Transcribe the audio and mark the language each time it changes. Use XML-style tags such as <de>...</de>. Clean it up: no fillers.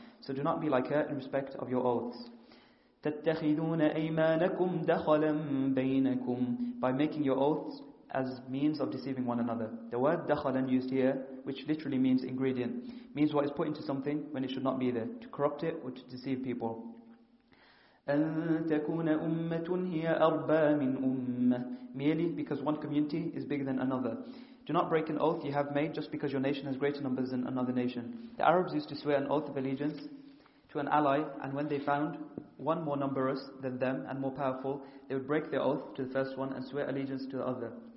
<en>So do not be like her in respect of your oaths.</en> <ar>تَتَّخِذُونَ أَيْمَانَكُمْ دَخَلًا بَيْنَكُمْ</ar> <en>By making your oaths as means of deceiving one another. The word دَخَلًا used here, which literally means ingredient, means what is put into something when it should not be there, to corrupt it or to deceive people.</en> <ar>أَن تَكُونَ أُمَّةٌ هِيَ أَرْبَى مِنْ أُمَّةٍ</ar> <en>Merely because one community is bigger than another. Do not break an oath you have made just because your nation has greater numbers than another nation. The Arabs used to swear an oath of allegiance to an ally, and when they found one more numerous than them and more powerful, they would break their oath to the first one and swear allegiance to the other.</en>